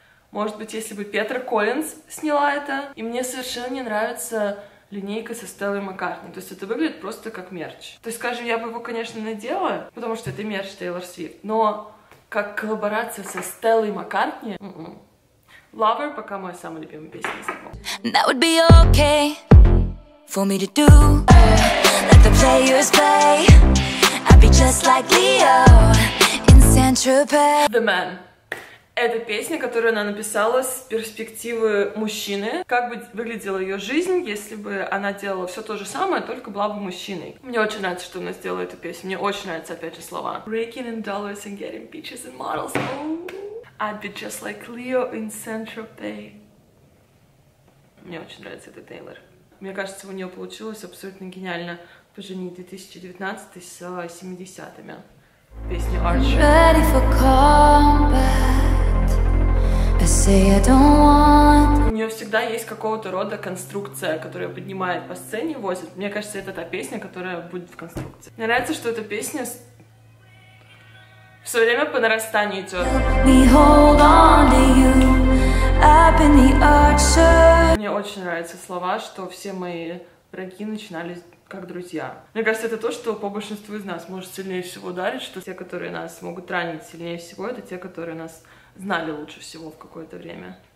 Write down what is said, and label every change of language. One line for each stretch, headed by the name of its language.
Russian: Может быть, если бы Петра Коллинз сняла это. И мне совершенно не нравится... линейка со Стеллой Маккартни. То есть это выглядит просто как мерч. То есть, скажем, я бы его, конечно, надела, потому что это мерч Тейлор Свифт, но как коллаборация со Стеллой Маккартни... Lover пока моя самая любимая песня.
English: That would be okay for me to do. Let the players play. I'd be just like Leo in Saint-Tropez. The Man.
Russian: Это песня, которую она написала с перспективы мужчины. Как бы выглядела ее жизнь, если бы она делала все то же самое, только была бы мужчиной. Мне очень нравится, что она сделала эту песню. Мне очень нравятся, опять же, слова.
English: Raking in dollars and getting bitches and models. Oh, I'd be just like Leo in Saint-Tropez.
Russian: Мне очень нравится этот Тейлор. Мне кажется, у нее получилось абсолютно гениально поженить 2019 с 70-ми. Песня Archer.
English: Ready for combat. I say I don't want...
Russian: У нее всегда есть какого-то рода конструкция, которая поднимает по сцене, возит. Мне кажется, это та песня, которая будет в конструкции. Мне нравится, что эта песня все время по нарастанию идет.
English: Me hold on to you, up in the archer.
Russian: Мне очень нравятся слова, что все мои враги начинались как друзья. Мне кажется, это то, что по большинству из нас может сильнее всего ударить, что те, которые нас могут ранить сильнее всего, это те, которые нас... знали лучше всего в какое-то время.